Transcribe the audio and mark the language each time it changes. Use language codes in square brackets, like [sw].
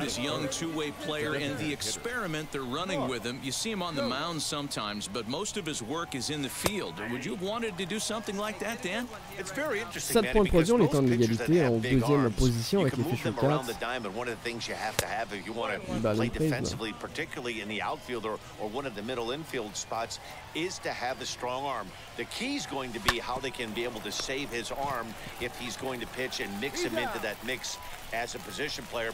[en] This young two-way player and the experiment they're running with him. You see him on the mound sometimes, but most of his work is in the field. Would you have wanted to do something like that, Dan? It's very interesting. 7.3, [fr] on est en égalité en deuxième position avec les Fisher Cats. [en] One of the things you have to have if you want to play defensively, particularly in the outfield or one of the middle infield spots, is to have a strong arm. The key is going to be how they can be able to save his arm if he's going to pitch and mix him into that mix as a position player.